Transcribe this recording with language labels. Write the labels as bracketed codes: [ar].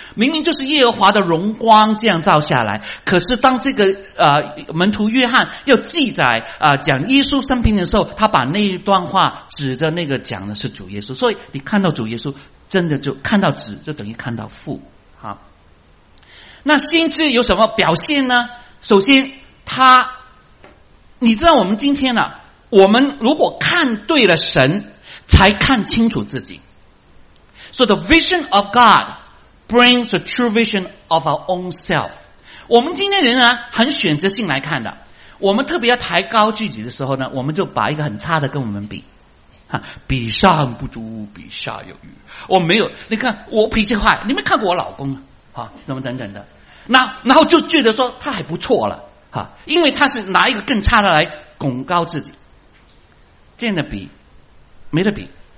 [zh] 明明就是耶和华的荣光这样照下来，可是当这个门徒约翰要记载讲耶稣生平的时候，他把那一段话指着那个讲的是主耶稣。所以你看到主耶稣，真的就看到子，就等于看到父。好，那先知有什么表现呢？首先他，你知道我们今天呢，我们如果看对了神，才看清楚自己。 [en] So the vision of God brings a true vision of our own self. [zh] 我们今天人啊，很选择性来看的。我们特别要抬高自己的时候呢，我们就把一个很差的跟我们比，比上不足，比下有余。我没有，你看我脾气坏，你没看过我老公啊，怎么等等的。然后就觉得说他还不错了，因为他是拿一个更差的来拱高自己，这样的比没得比。